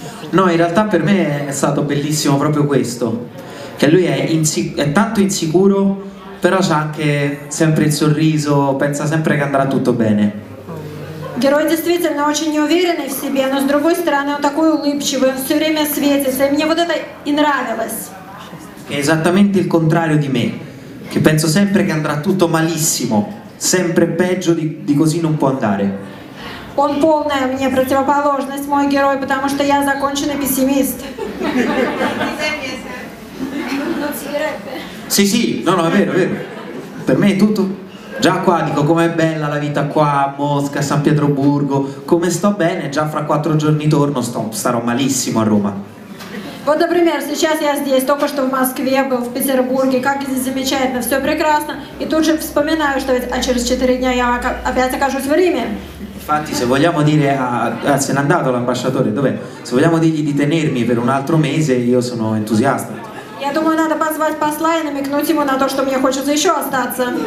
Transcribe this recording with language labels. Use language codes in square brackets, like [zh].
[it] No, in realtà per me è stato bellissimo proprio questo, che lui è tanto insicuro, però c'ha anche sempre il sorriso, pensa sempre che andrà tutto bene. [ru] Герой действительно очень неуверенный в себе, но с другой стороны он такой улыбчивый, он все время светится, и мне вот это и нравилось. [it] È esattamente il contrario di me, che penso sempre che andrà tutto malissimo. Sempre peggio di così non può andare. [ru] Он полная мне противоположность, мой герой, потому что я законченный пессимист. [it] Sì, sì, no, no, è vero. Per me è tutto. Già qua dico com'è bella la vita qua a Mosca, a San Pietroburgo, come sto bene, già fra 4 giorni torno, starò malissimo a Roma. [ru] Вот, например, сейчас я здесь, только что в Москве был, в Петербурге, как здесь замечательно, все прекрасно. И тут же вспоминаю, что ведь, а через 4 дня я опять окажусь в Риме. [it] Infatti, se vogliamo dire a se n'è andato l'ambasciatore, dov'è? Se vogliamo dirgli di tenermi per un altro mese, io sono entusiasta. [ru] Я думаю, надо позвать посла и намекнуть ему на то, что мне хочется еще остаться.